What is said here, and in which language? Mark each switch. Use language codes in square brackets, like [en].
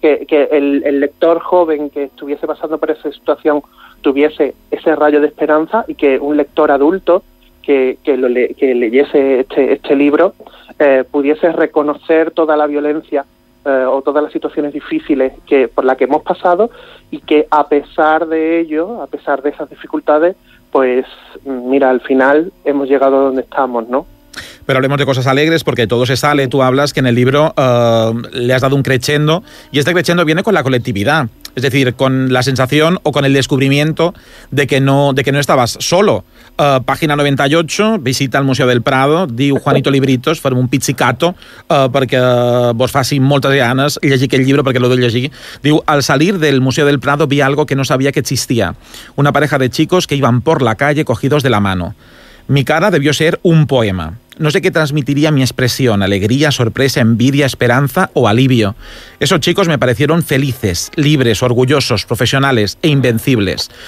[es] Que el lector joven que estuviese pasando por esa situación tuviese ese rayo de esperanza, y que un lector adulto que leyese este libro pudiese reconocer toda la violencia o todas las situaciones difíciles por las que hemos pasado, y que a pesar de ello, a pesar de esas dificultades, pues mira, al final hemos llegado a donde estamos, ¿no? Pero hablemos de cosas alegres, porque todo se sale. Tú hablas que en el libro le has dado un crescendo, y este crescendo viene con la colectividad, es decir, con la sensación o con el descubrimiento de que no estabas solo. Página 98, visita al Museo del Prado, [ca] diu Juanito Libritos, fem un pizzicato, perquè vos faci moltes ganes llegir aquell llibre, perquè l'ho de llegir. [es] Diu, al salir del Museo del Prado vi algo que no sabía que existía, una pareja de chicos que iban por la calle cogidos de la mano. Mi cara debió ser un poema. no sé qué transmitiría mi expresión, alegría, sorpresa, envidia, esperanza o alivio. Esos chicos me parecieron felices, libres, orgullosos, profesionales e invencibles.